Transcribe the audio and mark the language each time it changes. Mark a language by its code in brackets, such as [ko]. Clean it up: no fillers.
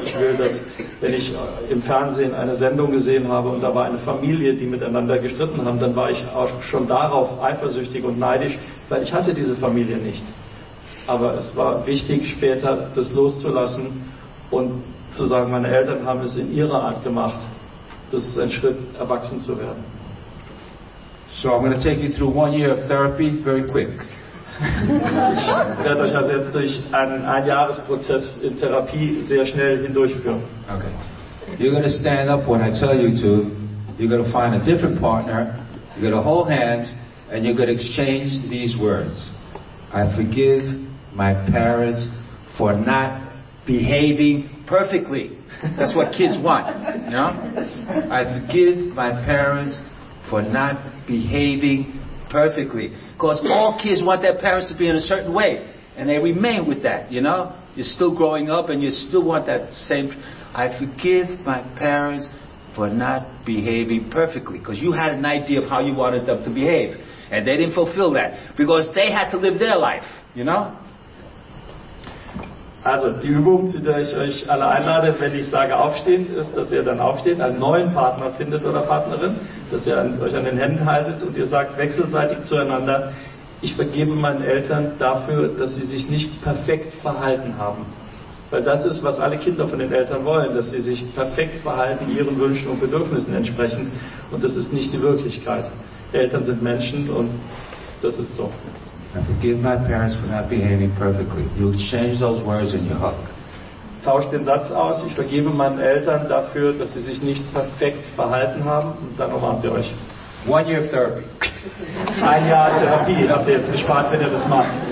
[de] Ich will, dass, wenn ich im Fernsehen eine Sendung gesehen habe und da war eine Familie, die miteinander gestritten haben, dann war ich auch schon darauf eifersüchtig und neidisch, weil ich hatte diese Familie nicht. Aber es war wichtig, später das loszulassen und zu sagen, meine Eltern haben es in ihrer Art gemacht. Das ist ein Schritt, erwachsen zu werden. [en] So I'm going to take you through 1 year of therapy very quick. [de] Ich werde euch also jetzt durch einen Einjahresprozess in Therapie sehr schnell hindurchführen. [en] Okay. You're going to stand up when I tell you to. You're going to find a different partner. You're going to hold hands and you're going to exchange these words. I forgive my parents for not behaving perfectly. That's what kids want, you know? I forgive my parents for not behaving perfectly. Because all kids want their parents to be in a certain way, and they remain with that, you know? You're still growing up and you still want that same... I forgive my parents for not behaving perfectly. Because you had an idea of how you wanted them to behave. And they didn't fulfill that because they had to live their life, you know? [de] Also, die Übung, zu der ich euch alle einlade, wenn ich sage aufstehen, ist, dass ihr dann aufsteht, einen neuen Partner findet oder Partnerin, dass ihr euch an den Händen haltet und ihr sagt wechselseitig zueinander, ich vergebe meinen Eltern dafür, dass sie sich nicht perfekt verhalten haben. Weil das ist, was alle Kinder von den Eltern wollen, dass sie sich perfekt verhalten, ihren Wünschen und Bedürfnissen entsprechen. Und das ist nicht die Wirklichkeit. Eltern sind Menschen und das ist so. [en] I forgive my parents for not behaving perfectly. You exchange those words and you hug. [de] Tausch den Satz aus. Ich vergebe meinen Eltern dafür, dass sie sich nicht perfekt verhalten haben. Und dann umarmt ihr euch. [en] 1 year of therapy. [de] Ein Jahr Therapie. Habt ihr jetzt gespart, wenn ihr das macht.